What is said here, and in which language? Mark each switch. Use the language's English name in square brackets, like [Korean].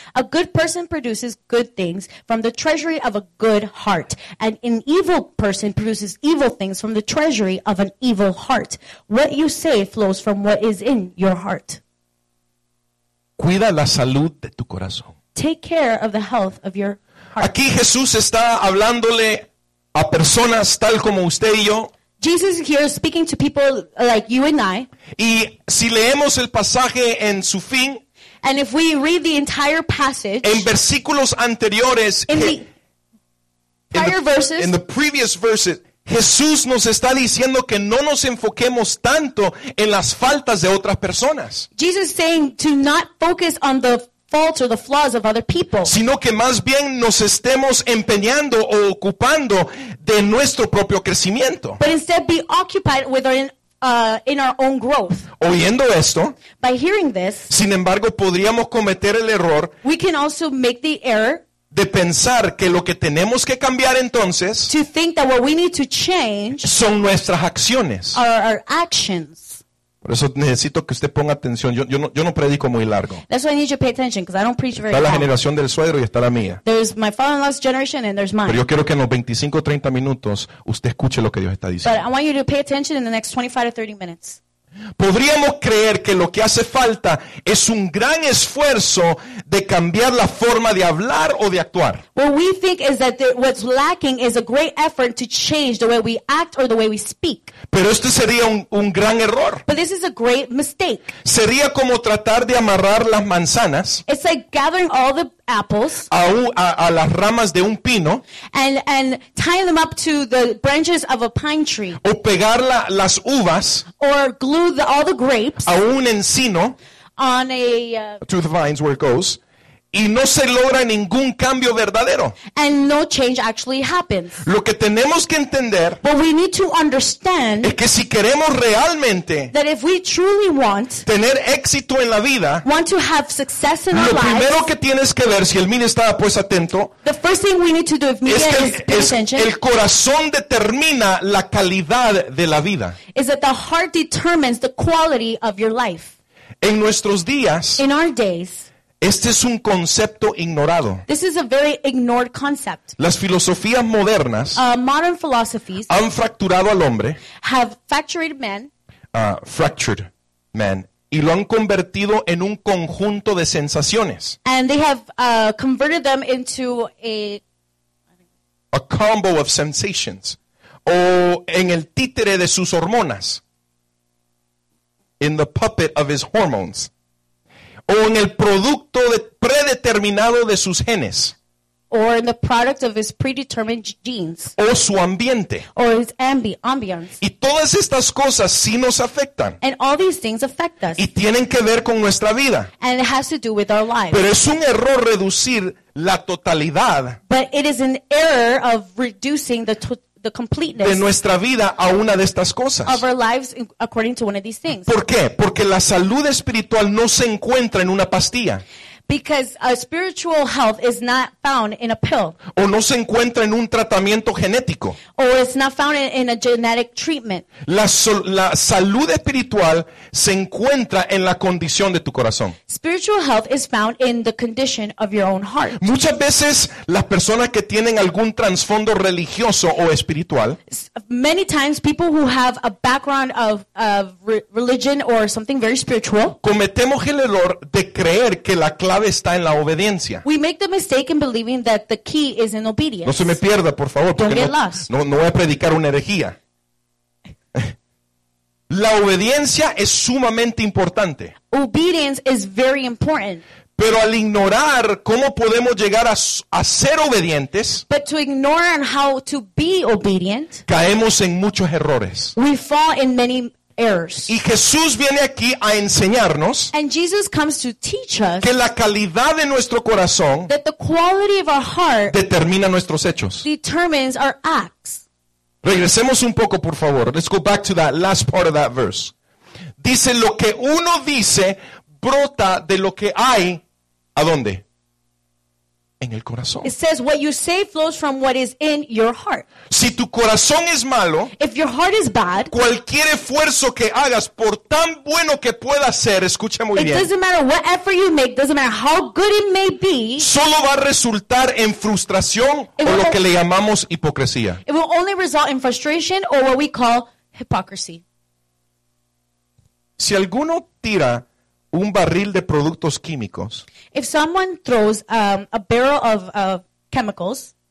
[English] A good person produces good things from the treasury of a good heart, and an evil person produces evil things from the treasury of an evil heart. What you say flows from what is in your heart. [Spanish] Cuida la salud de tu corazón. [English] Take care of the health of your heart. [Spanish] Aquí Jesús está hablándole a personas tal como usted y yo. [English] Jesus is here speaking to people like you and I. [Spanish] Y si leemos el pasaje en su fin, [English] and if we read the entire passage, [Spanish] en versículos anteriores, [English] in the previous verses, [Spanish] Jesús nos está diciendo que no nos enfoquemos tanto en las faltas de otras personas. [English] Jesus is saying to not focus on the faults or the flaws of other people, [Spanish] sino que más bien nos estemos empeñando o ocupando de nuestro propio crecimiento. [English] But instead be occupied with in our own growth. [Spanish] Oyendo esto, [English] by hearing this, [Spanish] sin embargo, podríamos cometer el error, [English] we can also make the error, [Spanish] de pensar que lo que tenemos que cambiar entonces, [English] to think that what we need to change, [Spanish] son nuestras acciones, [English] are our actions. [Spanish] Por eso necesito que usted ponga atención. Yo no predico muy largo. [English] That's why I need you to pay attention, because I don't preach very long. [Spanish] Está la generación del suegro y está la mía. [English] There's my father-in-law's generation and there's mine. [Spanish] Pero yo quiero que en los 25 o 30 minutos usted escuche lo que Dios está diciendo. [English] But I want you to pay attention in the next 25 to 30 minutes. [Spanish] Podríamos creer que lo que hace falta es un gran esfuerzo de cambiar la forma de hablar o de actuar. [English] What we think is that what's lacking is a great effort to change the way we act or the way we speak. [Spanish] Pero este sería un gran error. [English] But this is a great mistake. [Spanish] Sería como tratar de amarrar las manzanas. [English] It's like gathering all the apples [Spanish] a las ramas de un pino, [English] and tying them up to the branches of a pine tree, [Spanish] o pegar las uvas, [English] or glue all the grapes [Spanish] a un encino, [English] on a to the vines where it goes, [Spanish] y no se logra ningún cambio verdadero, [English] and no change actually happens. [Spanish] Lo que tenemos que entender, [English] but we need to understand, [Spanish] es que si queremos realmente, [English] that if we truly want, [Spanish] tener éxito en la vida, [English] want to have success in our lives, [Spanish] lo primero que tienes que ver, si el mío está pues atento, [English] the first thing we need to do, if me is paying attention, [Spanish] el corazón determina la calidad de la vida, [English] is that the heart determines the quality of your life. [Spanish] En nuestros días, [English] in our days, [Spanish] este es un concepto ignorado. [English] This is a very ignored concept. [Spanish] Las filosofías modernas, [English] modern philosophies, [Spanish] han fracturado al hombre. [English] Have fractured man. Fractured man [Spanish] y lo han convertido en un conjunto de sensaciones. [English] And they have converted them into a combo of sensations. [Spanish] O en el títere de sus hormonas. [English] In the puppet of his hormones. [Spanish] O en el producto de predeterminado de sus genes. [English] Or in the product of his predetermined genes. [Spanish] O su ambiente. [English] Or his ambience. [Spanish] Y todas estas cosas sí nos afectan. [English] And all these things affect us. [Spanish] Y tienen que ver con nuestra vida. [English] And it has to do with our lives. [Spanish] Pero es un error reducir la totalidad. [English] But it is an error of reducing the completeness [Spanish] de nuestra vida a una de estas cosas. [English] Of our lives according to one of these things. [Spanish] ¿Por qué? Porque la salud espiritual no se encuentra en una pastilla. [English] Because a spiritual health is not found in a pill. [Spanish] O no se encuentra en un tratamiento genético. [English] Or it's not found in a genetic treatment. [Spanish] La salud espiritual se encuentra en la condición de tu corazón. [English] Spiritual health is found in the condition of your own heart. [Spanish] Muchas veces las personas que tienen algún trasfondo religioso o espiritual. [English] Many times people who have a background of religion or something very spiritual. [Spanish] Cometemos el error de creer que la clave está en la obediencia. [English] We make the mistake in believing that the key is in obedience. [Spanish] No se me pierda, por favor. [English] Don't get lost. [Spanish] No voy a predicar una herejía. La obediencia es sumamente importante. [English] Obedience is very important. [Spanish] Pero al ignorar cómo podemos llegar a ser obedientes, [English] but to ignore on how to be obedient, [Spanish] caemos en muchos errores. [English] We fall in many errors. [Spanish] Y Jesús viene aquí a enseñarnos, [English] and Jesus comes to teach us, [Spanish] que la calidad de nuestro corazón, [English] that the quality of our heart, [Spanish] determina nuestros hechos, [English] determines our acts. [Spanish] Regresemos un poco, por favor. [English] Let's go back to that last part of that verse. [Spanish] Dice, lo que uno dice brota de lo que hay, ¿a dónde? En el corazón. [English] It says, what you say flows from what is in your heart. [Spanish] Si tu corazón es malo, [English] if your heart is bad, [Spanish] cualquier esfuerzo que hagas, por tan bueno que pueda ser, escucha muy [English] it [Spanish] bien. [English] It doesn't matter what effort you make, doesn't matter how good it may be, [Spanish] solo va a resultar en frustración o lo que le llamamos hipocresía. [English] It will only result in frustration or what we call hypocrisy. [Spanish] Si alguno tira un barril de productos químicos, [English] if someone throws a barrel of chemicals